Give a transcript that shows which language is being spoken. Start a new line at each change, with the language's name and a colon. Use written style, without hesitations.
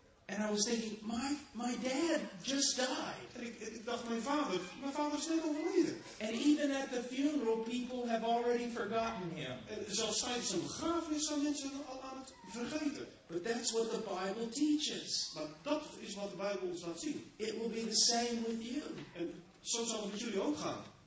English: And I was thinking, my dad just died.
Dutch: Ik dacht, mijn vader is net overleden.
English: And even at the funeral, people have already forgotten him.
Dutch: En zelfs tijdens een begrafenis zijn mensen al aan het vergeten.
English: But that's what the Bible teaches.
Dutch: Maar dat is wat de Bijbel ons laat zien.
English: It will be the same with you.
Dutch: En zo zal het met jullie ook gaan.